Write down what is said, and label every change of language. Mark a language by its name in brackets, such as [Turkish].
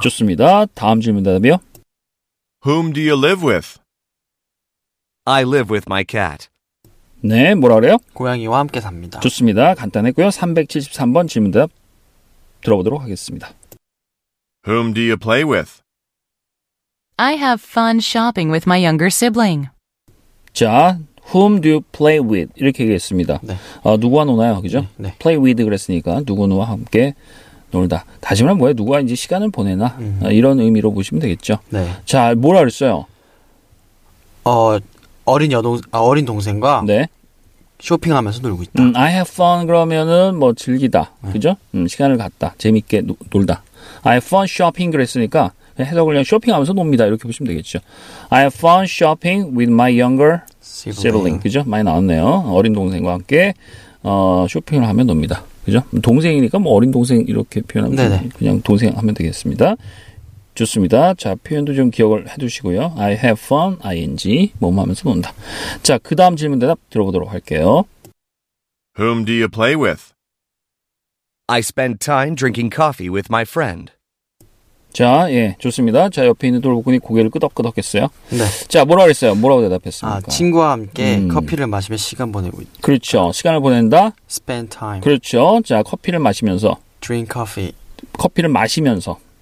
[Korean] 좋습니다. 다음 질문 대답이요. [English] Whom do you live with? I live with my cat. [Korean] 네, 뭐라 그래요? 고양이와 함께 삽니다. 좋습니다. 간단했고요. 373번 질문 대답 들어보도록 하겠습니다. [English] Whom do you play with? I have fun shopping with my younger sibling. 자, whom do you play with? [Korean] 이렇게 얘기했습니다. 네. 누구와 노나요? 그죠? 네, 네. [English] play with [Korean] 그랬으니까 누구와 함께 놀다. 다시 말하면 뭐예요? 누구와 이제 시간을 보내나? 이런 의미로 보시면 되겠죠. 네. 자, 뭐라 그랬어요? 어린 동생과 네. 쇼핑하면서 놀고 있다. [English] I have fun [Korean] 그러면은 뭐 즐기다. 네. 그죠? 시간을 갖다. 재밌게 놀다. [English] I have fun shopping [Korean] 그랬으니까 해석을 그냥 쇼핑하면서 놉니다. 이렇게 보시면 되겠죠. [English] I have fun shopping with my younger sibling. [Korean] 그죠? 많이 나왔네요. 어린 동생과 함께 쇼핑을 하면 놉니다. 그죠? 동생이니까 뭐 어린 동생 이렇게 표현하면 네네. 그냥 동생 하면 되겠습니다. 좋습니다. 자, 표현도 좀 기억을 해두시고요. [English] I have fun, ing, [Korean] 뭐뭐 하면서 논다. 자, 그 다음 질문 대답 들어보도록 할게요. [English] Whom do you play with? I spend time drinking coffee with my friend. [Korean] 자, 예, 좋습니다. 자, 옆에 있는 돌부꾼이 고개를 끄덕끄덕 했어요. 네. 자, 뭐라 그랬어요? 뭐라고 대답했습니까? 아, 친구와 함께 커피를 마시며 시간 보내고 있다. 그렇죠. 시간을 보낸다. [English] Spend time. [Korean] 그렇죠. 자, 커피를 마시면서. [English] Drink coffee. [Korean] 커피를 마시면서.